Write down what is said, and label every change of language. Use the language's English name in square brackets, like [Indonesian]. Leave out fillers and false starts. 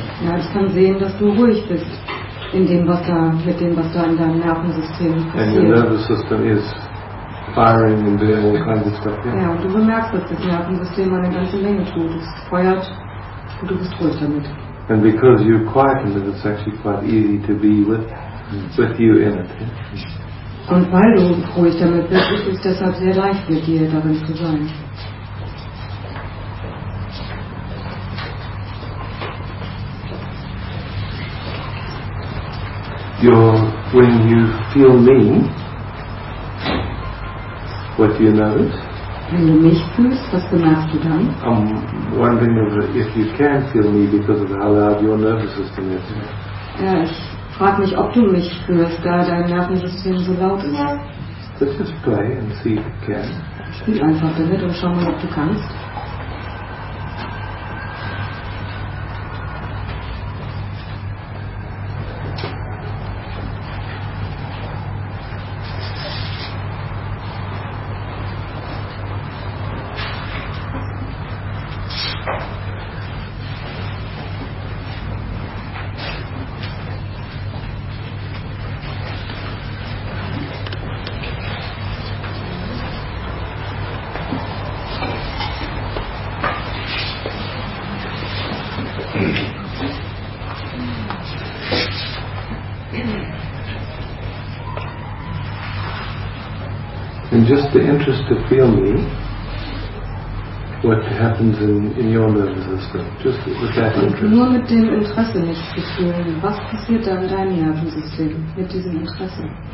[German] Ja, ich kann sehen, dass du ruhig bist in dem, was da, mit dem, was da in deinem Nervensystem passiert. [English] And your nervous system is firing and doing all kinds of stuff. Yeah. [German] Ja, und du bemerkst, dass das Nervensystem eine ganze Menge tut. Es feuert und du bist ruhig damit. [English] And because you're quiet in it, it's actually quite easy to be with you in it. Yeah. [German] Und weil du ruhig damit bist, ist es deshalb sehr leicht mit dir darin zu sein. [English] When you feel mean, what do you notice? [German] Wenn du mich fühlst, was bemerkst du dann? [English] I'm wondering if you can feel me because of how loud your nervous system is. [German] Ja, ich frage mich, ob du mich fühlst, da dein Nervensystem so laut ist. [English] Let's just play and see if you can. [German] Spiel einfach damit und schau mal, ob du kannst. [English] Just the interest to feel me, what happens in your nervous system. Just with that interest. [German] Nur mit dem Interesse nicht zu fühlen. Was passiert da in deinem Nervensystem mit diesem Interesse?